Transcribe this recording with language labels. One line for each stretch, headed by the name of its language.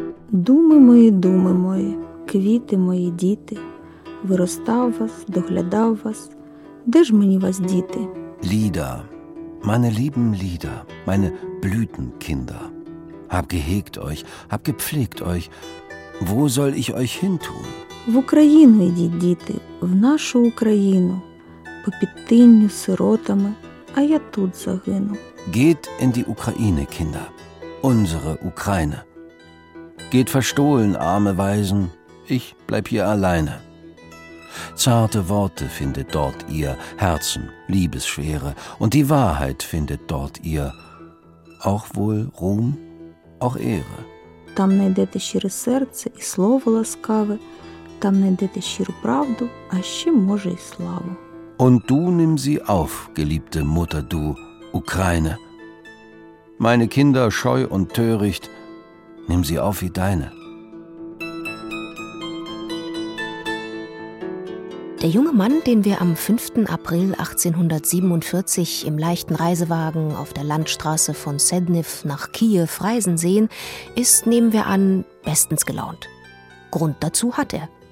Ukrainian: Думи мої, думи мої, квіти мої діти, виростав вас, доглядав вас, де ж мені вас діти?
German: Lieder, meine lieben Lieder, meine Blütenkinder, hab gehegt euch, hab gepflegt euch, wo soll ich euch hintun?
Ukrainian: В Україну йдіть, діти, в нашу Україну, по підтинню сиротами, а я тут загину.
German: Geht in die Ukraine, Kinder, unsere Ukraine. Geht verstohlen, arme Waisen, ich bleib hier alleine. Zarte Worte findet dort ihr, Herzen, Liebesschwere, und die Wahrheit findet dort ihr, auch wohl Ruhm, auch Ehre.
Ukrainian: Там найдете щире серце і слово ласкаве, там найдете щиру правду, а ще, може, і славу.
German: Und du nimm sie auf, geliebte Mutter, du, Ukraine. Meine Kinder, scheu und töricht, nimm sie auf wie deine. Der junge Mann, den wir am 5. April 1847 im leichten Reisewagen auf der Landstraße von Sedniv nach Kiew reisen sehen, ist, nehmen wir an, bestens gelaunt. Grund dazu hat er.